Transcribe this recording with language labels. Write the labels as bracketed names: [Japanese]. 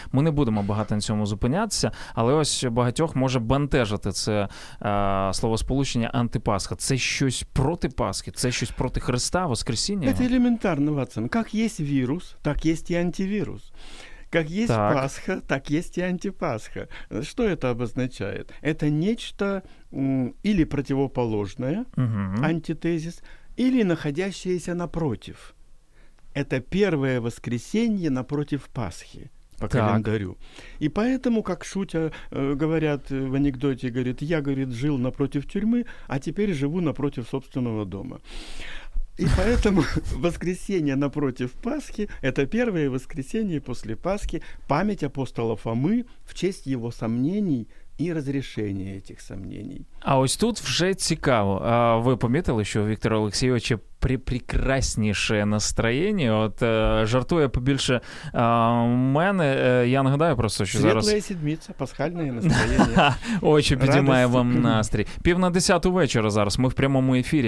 [Ukrainian] Ми не будемо багато на цьому зупинятися, але ось багатьох може бентежити це словосполучення антипасха. Це щось проти Пасхи? Це щось проти Христа, Воскресіння? Це елементарно, Ватсон. Як є вірус, так є і антивірус. Як є Пасха, так є і антипасха. Що це обозначає? [Russian] Це нечто или противоположное, антитезис, или находящееся напротив. Это первое воскресенье напротив Пасхи. По календарю. И поэтому, как шутя, говорят в анекдоте, говорит, я, говорит, жил напротив тюрьмы, а теперь живу напротив собственного дома. И поэтому воскресенье напротив Пасхи – это первое воскресенье после Пасхи, память апостола Фомы в честь его сомнений [Ukrainian] і розрішення цих сомнень. А ось тут вже цікаво. Ви помітили, що у Віктора Олексійовича прекрасніше настроєння. От жартує побільше мене. Я нагадаю просто, що Світлая зараз... Світлая седмиця, пасхальне настроєння. Очі підіймає вам настрій. Пів на десяту вечора зараз. Ми в прямому ефірі.